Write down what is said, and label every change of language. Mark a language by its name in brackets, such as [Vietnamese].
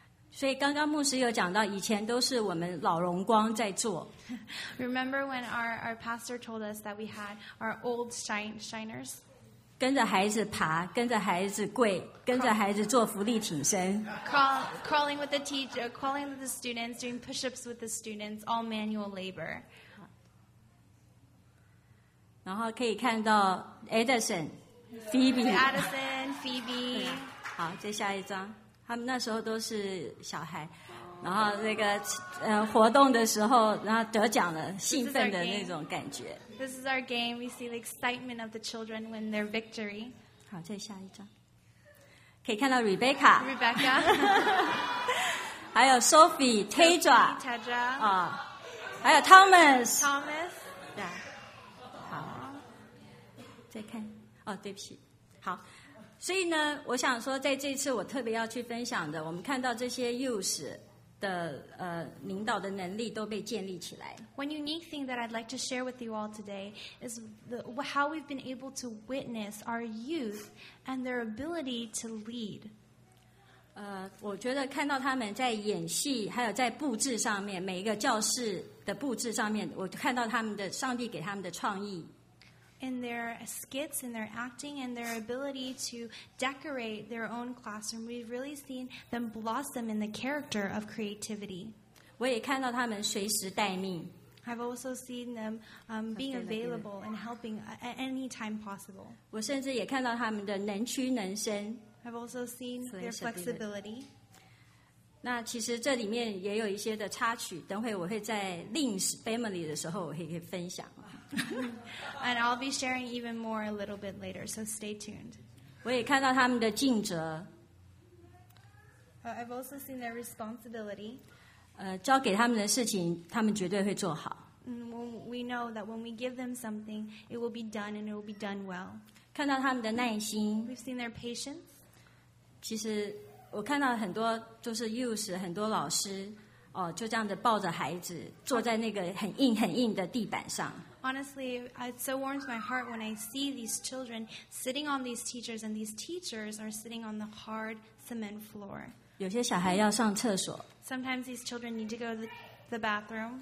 [Chinese] 所以刚刚牧师有讲到以前都是我们老荣光在做。 [English] Remember when our pastor told us that we had our old shiners? [Chinese] 跟着孩子爬，跟着孩子跪，跟着孩子做俯卧撑。 [English] Crawling with the teacher, crawling with the students, doing push-ups with the students, all manual labor. [Chinese] 然后可以看到 Addison, Phoebe. [English] Addison, Phoebe. [Chinese] 好，再下一张。他们那时候都是小孩，然后那个活动的时候，然后得奖了，兴奋的那种感觉。 [English] This is our game. We see the excitement of the children when their victory. [Chinese] 好，再下一张，可以看到 Rebecca。 [English] Rebecca [Chinese] 。 还有 Sophie、Tedra。 [English] Tedra。 [Chinese] 啊，还有 Thomas。 [English] Thomas。 [Chinese] 对。好。再看，哦，对不起，好。所以呢，我想说，在这次我特别要去分享的，我们看到这些 youth 的领导的能力都被建立起来。 [English] One unique thing that I'd like to share with you all today is how we've been able to witness our youth and their ability to lead. [Chinese] 我觉得看到他们在演戏，还有在布置上面，每一个教室的布置上面，我看到他们的上帝给他们的创意。 [English] In their skits, in their acting, and their ability to decorate their own classroom, we've really seen them blossom in the character of creativity. [Chinese] 我也看到他们随时待命。 [English] I've also seen them being available and helping at any time possible. [Chinese] 我甚至也看到他们的能屈能伸。 [English] I've also seen their flexibility. [Chinese] 那其实这里面也有一些的插曲，等会我会在 Lin's family 的时候我可以分享。 [English] And I'll be sharing even more a little bit later, so stay tuned. [Chinese] 我也看到他们的尽责。 [English] I've also seen their responsibility. [Chinese] 交给他们的事情，他们绝对会做好。 [English] We know that when we give them something, it will be done and it will be done well. [Chinese] 看到他们的耐心。 [English] We've seen their patience. [Chinese] 其实我看到很多就是 youth 很多老师哦，就这样的抱着孩子坐在那个很硬很硬的地板上。 [English] Honestly, it so warms my heart when I see these children sitting on these teachers, and these teachers are sitting on the hard cement floor. [Chinese] 有些小孩要上厕所。 [English] Sometimes these children need to go to the bathroom.